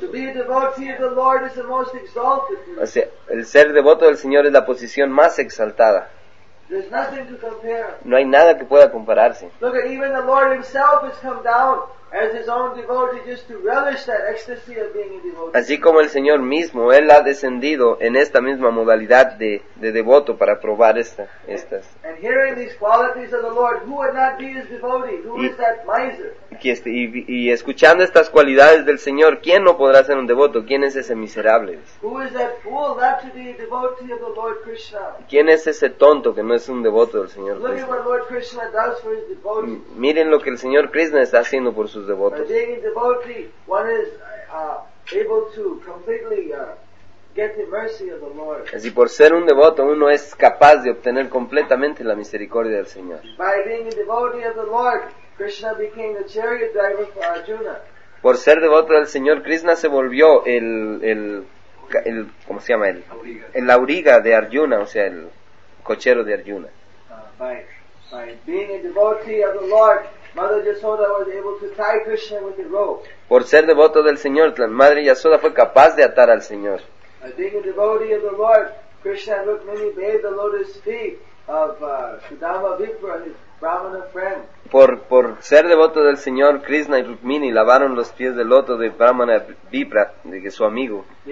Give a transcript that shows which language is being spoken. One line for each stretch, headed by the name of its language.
English: To be a devotee of the Lord is the most exalted.
Spanish: O sea, el ser devoto del Señor es la posición más exaltada.
English: There's nothing to compare.
Spanish: No hay nada que pueda compararse.
English: Look, even the Lord himself has come down as his own devotee just to relish that ecstasy of being a devotee.
Spanish: Así como el Señor mismo, él ha descendido en esta misma modalidad de devoto para probar estas.
English: And hearing these qualities of the Lord, who would not be his devotee? Who is that miser?
Spanish: Y escuchando estas cualidades del Señor, ¿quién no podrá ser un devoto? ¿Quién es ese miserable?
English: Who is that fool not to be a devotee of the Lord Krishna?
Spanish: ¿Quién es ese tonto que no es un devoto del Señor Krishna?
English: Look at what Lord Krishna does for his devotees.
Spanish: Miren lo que el Señor Krishna está haciendo por sus devotos.
English: By being a devotee, one is able to completely get the mercy of the Lord.
Spanish: Así por ser un devoto, uno es capaz de obtener completamente la misericordia del Señor.
English: By being a devotee of the Lord, Krishna became the chariot driver for Arjuna.
Spanish: Por ser devoto del Señor, Krishna se volvió el ¿cómo se llama? El auriga de Arjuna, o sea, el cochero de Arjuna.
English: By being a devotee of the Lord, Mother Yasoda was able to tie Krishna with the rope.
Spanish: Por ser devoto del Señor, la Madre Yasoda fue capaz de atar al Señor.
English: By being a devotee of the Lord, Krishna and Rukmini bathed the lotus feet of Sudama Vipra, his Brahmana friend.
Spanish: Por ser devoto del Señor, Krishna y Rukmini lavaron los pies del loto de Brahmana Vipra, de que su amigo.